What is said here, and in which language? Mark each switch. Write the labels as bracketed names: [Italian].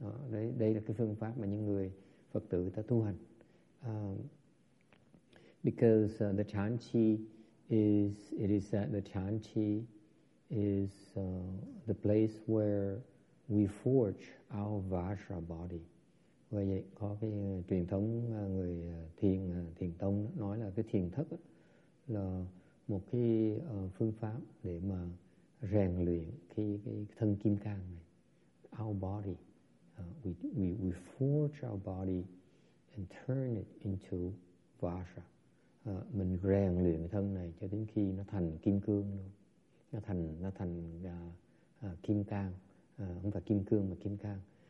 [Vietnamese] Đây là cái phương pháp mà những người Phật tử ta tu hành. [English] Because the Chan Chi is, it is that the Chan Chi is the place where we forge our Vajra body. [Vietnamese] Vậy có cái truyền thống người thiền tông nói là cái thiền thất là một cái phương pháp để mà rèn luyện cái thân kim cang này. [English] Our body, we forge our body and turn it into Vajra. [Vietnamese] Mình rèn luyện thân này cho đến khi nó thành kim cương luôn. Nó thành kim cang, không phải kim cương mà kim cang.